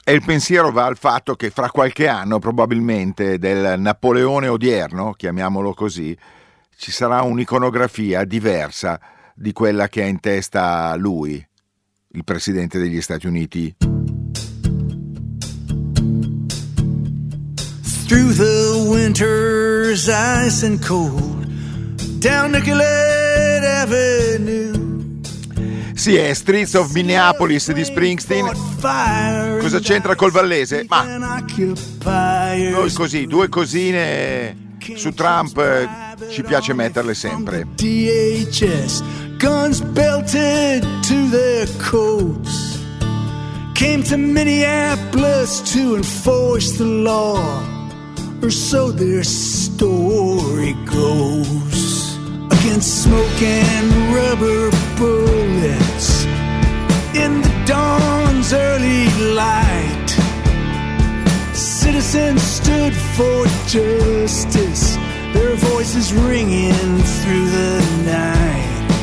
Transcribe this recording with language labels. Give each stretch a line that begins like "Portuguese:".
Italian: E il pensiero va al fatto che fra qualche anno probabilmente del Napoleone odierno, chiamiamolo così, ci sarà un'iconografia diversa di quella che ha in testa lui, il presidente degli Stati Uniti.
English: Through the winter's ice and cold, down Nicollet Avenue.
Italian: Sì, è Streets of Minneapolis di Springsteen. Cosa c'entra col vallese? Ma noi così, due cosine su Trump ci piace metterle sempre.
English: DHS, guns belted to their coats, came to Minneapolis to enforce the law, or so their story goes. Against smoke and rubber bullets in the dawn's early light, citizens stood for justice, their voices ringing through the night.